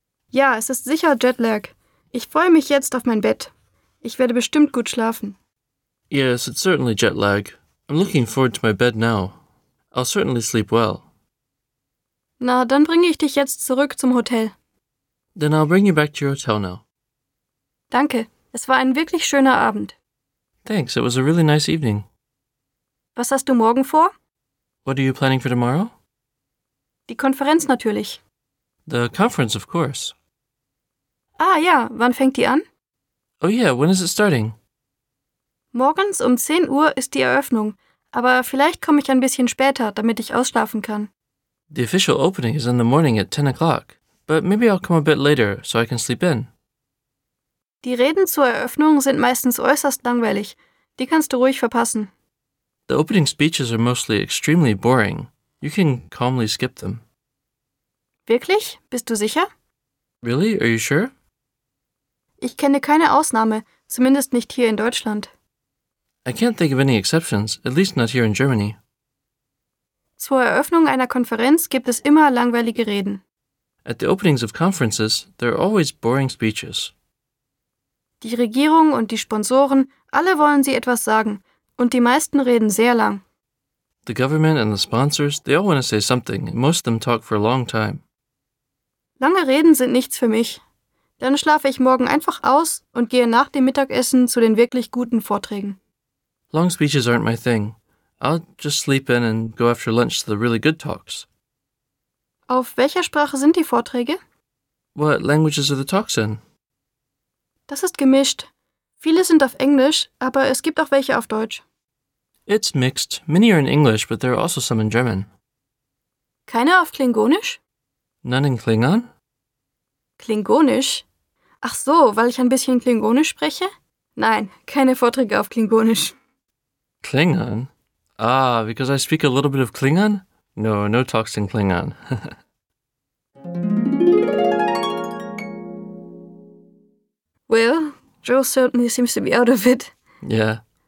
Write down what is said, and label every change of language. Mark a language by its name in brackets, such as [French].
[German] Ja, es ist sicher Jetlag. Ich freue mich jetzt auf mein Bett. Ich werde bestimmt gut schlafen. [English] Yes, it's certainly Jetlag. I'm looking forward to my bed now. I'll certainly sleep well. [German] Na, dann bringe ich dich jetzt zurück zum Hotel. [English] Then I'll bring you back to your hotel now. [German] Danke, es war ein wirklich schöner Abend. [English] Thanks, it was a really nice evening. [German] Was hast du morgen vor? [English] What are you planning for tomorrow? [German] Die Konferenz natürlich. [English] The conference, of course. [German] Ah ja, wann fängt die an? [English] Oh yeah, when is it starting? [German] Morgens um 10 Uhr ist die Eröffnung, aber vielleicht komme ich ein bisschen später, damit ich ausschlafen kann. [English] The official opening is in the morning at 10 o'clock. But maybe I'll come a bit later, so I can sleep in. [German] Die Reden zur Eröffnung sind meistens äußerst langweilig. Die kannst du ruhig verpassen. [English] The opening speeches are mostly extremely boring. You can calmly skip them. [German] Wirklich? Bist du sicher? [English] Really? Are you sure? [German] Ich kenne keine Ausnahme, zumindest nicht hier in Deutschland. [English] I can't think of any exceptions, at least not here in Germany. [German] Zur Eröffnung einer Konferenz gibt es immer langweilige Reden. [English] At the openings of conferences, there are always boring speeches. [German] Die Regierung und die Sponsoren, alle wollen sie etwas sagen. Und die meisten reden sehr lang. [English] The government and the sponsors, they all want to say something. Most of them talk for a long time. [German] Lange Reden sind nichts für mich. Dann schlafe ich morgen einfach aus und gehe nach dem Mittagessen zu den wirklich guten Vorträgen. [English] Long speeches aren't my thing. I'll just sleep in and go after lunch to the really good talks. [German] Auf welcher Sprache sind die Vorträge? [English] What languages are the talks in? [German] Das ist gemischt. Viele sind auf Englisch, aber es gibt auch welche auf Deutsch. [English] It's mixed. Many are in English, but there are also some in German. [German] Keine auf Klingonisch? [English] None in Klingon? [German] Klingonisch? Ach so, weil ich ein bisschen Klingonisch spreche? Nein, keine Vorträge auf Klingonisch. [English] Klingon? Ah, because I speak a little bit of Klingon? No, no talks in Klingon. Well, Joe certainly seems to be out of it. Yeah.